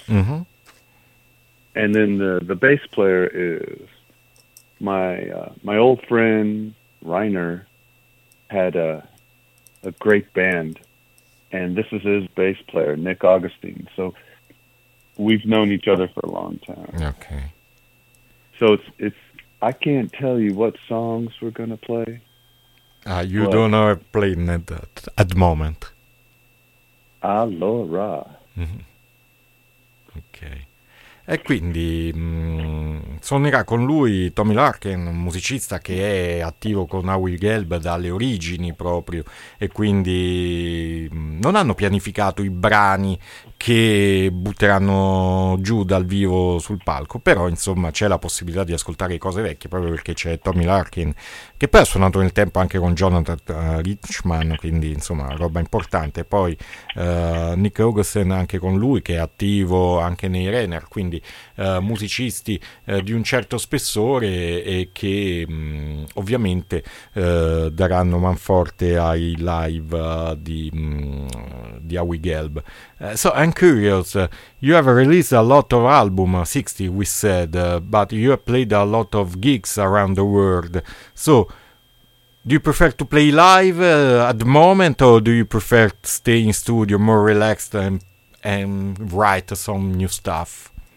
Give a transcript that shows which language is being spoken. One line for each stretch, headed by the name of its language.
English: And then the bass player is my old friend Reiner had a great band, and this is his bass player, Nick Augustine. So we've known each other for a long time. Okay. So it's I can't tell you what songs we're going to play. You don't know I'm playing it at the moment.
Italian: Allora.
English: Okay.
Italian: E quindi suonerà con lui Tommy Larkin, un musicista che è attivo con Howie Gelb dalle origini proprio, e quindi non hanno pianificato i brani che butteranno giù dal vivo sul palco, però insomma c'è la possibilità di ascoltare cose vecchie proprio perché c'è Tommy Larkin, che poi ha suonato nel tempo anche con Jonathan Richman, quindi insomma roba importante. Poi Nick Augustine anche con lui, che è attivo anche nei Renner, quindi musicisti di un certo spessore e che ovviamente daranno manforte ai live di Howie Gelb.
English: So I'm curious, you have released a lot of album, 60 we said, but you have played a lot of gigs around the world. So do you prefer to play live at the moment, or do you prefer to stay in studio more relaxed and write some new stuff?